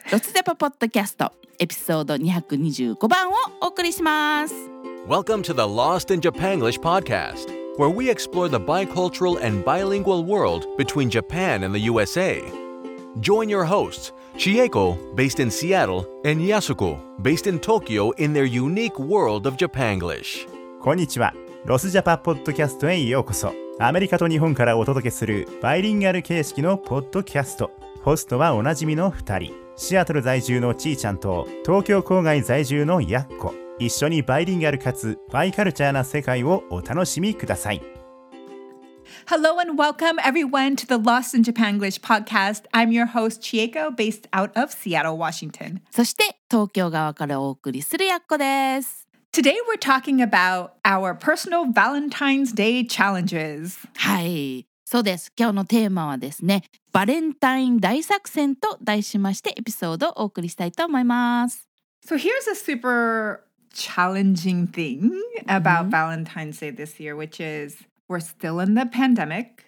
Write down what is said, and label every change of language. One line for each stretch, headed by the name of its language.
Japanese: ロツデポポッドキャスト、エピソード225番をお送りします。
English: Welcome to the Lost in Japan English podcast, where we explore the bicultural and bilingual world between Japan and the USA. Join your hosts, Chieko, based in Seattle, and Yasuko, based in Tokyo, in their unique world of Japanglish.
Japanese: こんにちは。ロスジャパポッドキャストへようこそ。アメリカと日本からお届けするバイリンガル形式のポッドキャスト。ホストはおなじみの2人。シアトル在住のちーちゃんと東京郊外在住のやっこ。一緒にバイリンガルかつバイカルチャーな世界をお楽しみください。
English: Hello and welcome everyone to the Lost in Japan English podcast. I'm your host Chieko, based out of Seattle, Washington.
Japanese: そして東京側からお送りするやっこです。
English: Today we're talking about our personal Valentine's Day challenges.
Japanese: はい、そうです。今日のテーマはですね、バレンタイン大作戦と題しましてエピソードをお送りしたいと思います。
English: So here's a super challenging thing about、mm-hmm. Valentine's Day this year, which is we're still in the pandemic.